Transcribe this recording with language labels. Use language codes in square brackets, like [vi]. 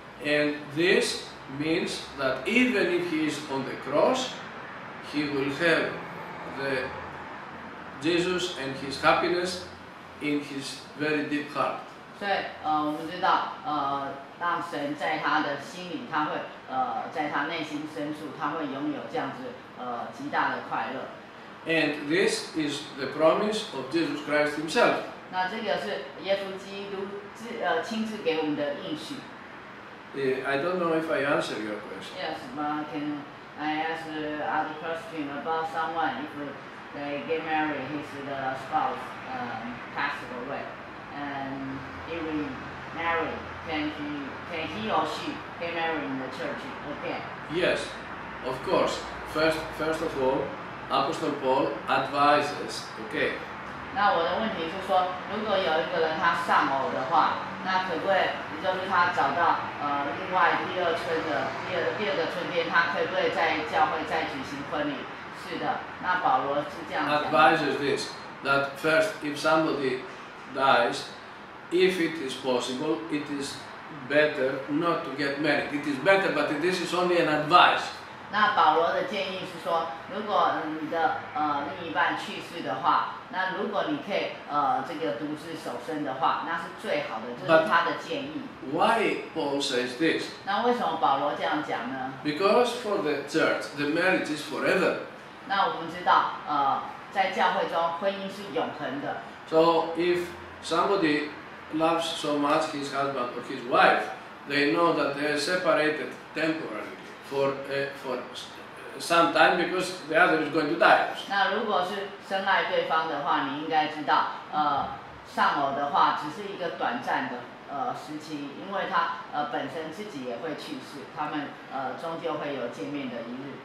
[en] And this means that even if he is on the cross, he will have the Jesus and his happiness in his very deep heart. [zh] 所以，我们知道，让神在他的心里，他会在他内心深处，他会拥有这样子极大的快乐。 [en] And this is the promise of Jesus Christ Himself. [zh] 那这个是耶稣基督亲自给我们的应许。 [en] I don't know if I answer your question. Yes, but can I ask other question about someone if they get married, his the spouse passed away, and he will marry. Can he or she marry in the church again? Yes, of course. First of all, Apostle Paul advises. Okay. [zh] 那我的问题是说，如果有一个人他丧偶的话，那可不可以就是他找到另外第二个春天，他可不可以在教会再举行婚礼？是的，那保罗是这样讲。 [en] Advises this that first, if somebody dies. If it is possible, it is better not to get married. It is better, but this is only an advice. [zh] 那保罗的建议是说，如果你的另一半去世的话，那如果你可以这个独自守身的话，那是最好的，这是他的建议。 [en] Why Paul says this? [zh] 那为什么保罗这样讲呢？ [en] Because for the church, the marriage is forever. [zh] 那我们知道，在教会中，婚姻是永恒的。 [en] So if somebody loves so much his husband or his wife, they know that they are separated temporarily for some time because the other is going to die. [zh] 那如果是深爱对方的话，你应该知道，丧偶的话只是一个短暂的时期，因为他本身自己也会去世，他们终究会有见面的一日。